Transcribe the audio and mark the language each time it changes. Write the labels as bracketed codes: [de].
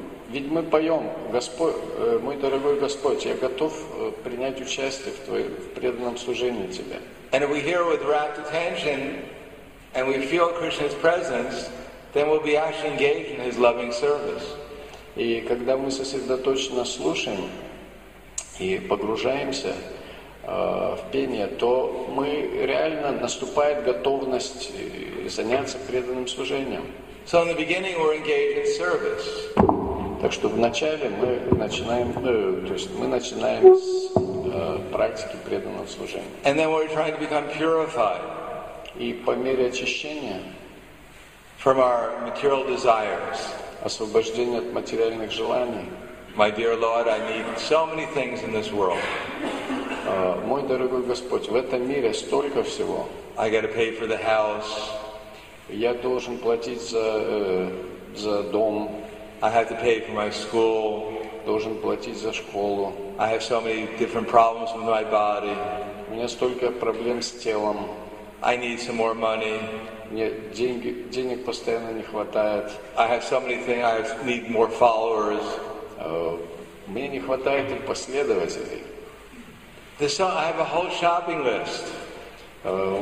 [ru] Ведь мы поем, Господь, мой дорогой Господь, я готов принять участие в преданном служении Тебе. [en] And if we hear with rapt attention, and we feel Krishna's presence, then we'll be actually engaged in his loving service. [ru] И когда мы сосредоточенно слушаем и погружаемся в пение, то мы реально наступает готовность заняться преданным служением. [en] So in the beginning we're engaged in service. [ru] Так что вначале мы начинаем, то есть мы начинаем с практики преданного служения. [en] And then we're trying to become purified. [ru] И по мере очищения [en] from our material desires. [ru] Освобождение от материальных желаний. [en] My dear Lord, I need so many things in this world. [ru] Мой дорогой Господь, в этом мире столько всего. [en] I got to pay for the house. [ru] Я должен платить за дом. [en] I have to pay for my school. [ru] Должен платить за школу. [en] I have so many different problems with my body. [ru] У меня столько проблем с телом. [en] I need some more money. [ru] Мне денег постоянно не хватает. [en] I have so many things. I need more followers. [ru] Мне не хватает и последователей. [en] I have a whole shopping list.